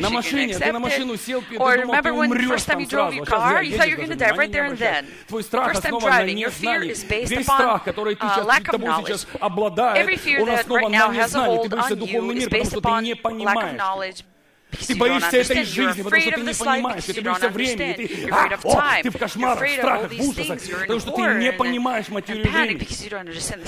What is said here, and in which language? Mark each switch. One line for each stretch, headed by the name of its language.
Russian: На машине, ты на машину сел, ты думал, ты умрёшь там сразу.
English: Or remember when first time you drove your car, you thought you were going to die right there and then.
Russian: Твой страх основан на незнании. Весь страх, который ты сейчас обладаешь, он основан на незнании. Ты боишься духовный мир, потому что ты не понимаешь. Ты боишься этой жизни, потому что ты не понимаешь, ты боишься времени, ты в кошмарах, в страхах, в ужасах, потому что ты не понимаешь материю времени.